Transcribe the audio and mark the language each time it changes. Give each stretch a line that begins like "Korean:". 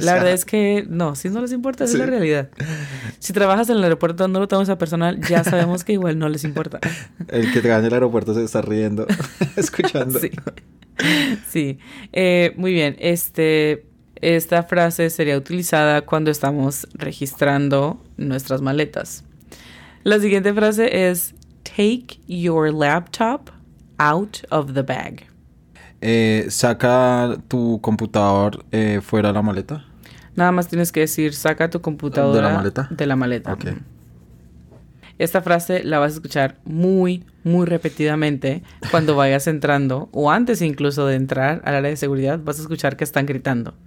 Spanish: La verdad es que no, si no les importa, sí. Es la realidad. Si trabajas en el aeropuerto, no lo tomes a personal, ya sabemos que igual no les importa. El que te gane el aeropuerto se está riendo, escuchando. Sí. Sí. Muy bien. Esta frase sería utilizada cuando estamos registrando nuestras maletas. La siguiente frase es
English: take your laptop out of the bag.
Spanish: Saca tu computador fuera de la maleta. Nada más tienes que decir, saca tu computadora de la maleta. De la maleta. Okay. Esta frase la vas a escuchar muy, muy repetidamente cuando vayas entrando o antes incluso de entrar al área de seguridad, vas a escuchar que están gritando.